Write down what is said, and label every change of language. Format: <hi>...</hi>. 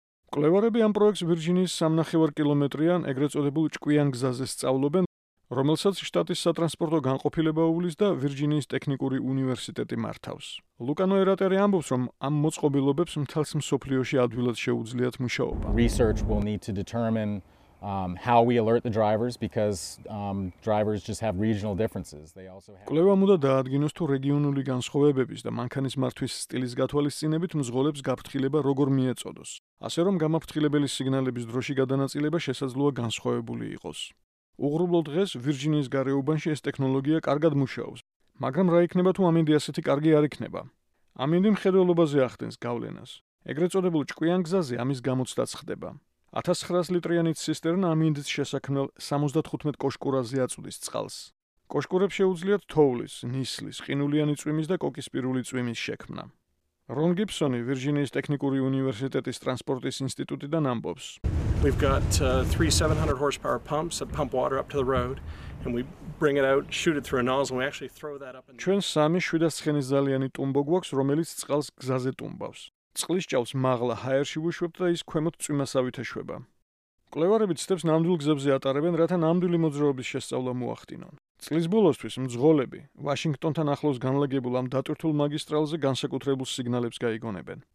<ka>მკვლევარები ამ პროექტს ვირჯინიის 3.5 კილომეტრიან, ეგრეთ წოდებულ ჭკვიან გზაზე სწავლობენ, რომელსაც შტატის სატრანსპორტო განყოფილება უვლის და ვირჯინიის ტექნიკური უნივერსიტეტი მართავს. ლუკანო ერატერი ამბობს, რომ ამ მოწყობილობებს მთელს მსოფლიოში ადვილად შეუძლიათ მუშაობა.</ka> <en>Research will need to determine how we alert the drivers because drivers just have regional differences. They also have</en> <ka>კვლევა უნდა დაადგინოს თუ რეგიონული განსხვავებების და მანქანის მართვის სტილის გათვალისწინებით მძღოლებს გაფრთხილება როგორ მიეწოდოს. ასე რომ გამაფრთხილებელი სიგნალების დროში გადანაწილება შესაძლოა განსხვავებული იყოს. უღრუბლოდ დღეს ვირჯინიის გარეუბანში ეს ტექნოლოგია კარგად მუშაობს, მაგრამ რა იქნება თუ ამინდი ასეთი კარგი არ იქნება? ამინდი მხედველობაზე ახდენს გავლენას. ეგრეთ წოდებულ ჭკვიან გზაზე ამის გამოცდაც ხდება. 1900 ლიტრიანი ცისტერნა ამინდის შესაქმნელ 75 კოშკურაზე აწვდის წყალს. კოშკურებს შეუძლიათ თოვლის, ნისლის, ყინულიანი წვიმის და კოკისპირული წვიმის შექმნა. რონ გიბსონი ვირჯინიის ტექნიკური უნივერსიტეტის ტრანსპორტის ინსტიტუტიდან ამბობს.</ka> <en>We've got 3700 horsepower pumps that pump water up to the road and we bring it out, shoot it through a nozzle and we actually throw that up in the</en> <ka>ჩვენ 3700 ცხენის ძალიანი ტუმბო გვაქვს, რომელიც წყალს გზაზე ტუმბავს. წყლის ჭავს მაღლა ჰაერში უშვებთ და ის ქვემოთ წვიმასავითაშვება. მკვლევარები ცდებს ნამდვილ გზებზე ატარებენ, რათა ნამდვილი მოძრაობის შესწავლა მოახდინონ. წლის ბოლოსთვის მძღოლები ვაშინგტონთან ახლოს განლაგებულ ამ დატვირთულ მაგისტრალზე განსაკუთრებულ სიგნალებს გაიგონებენ.</ka>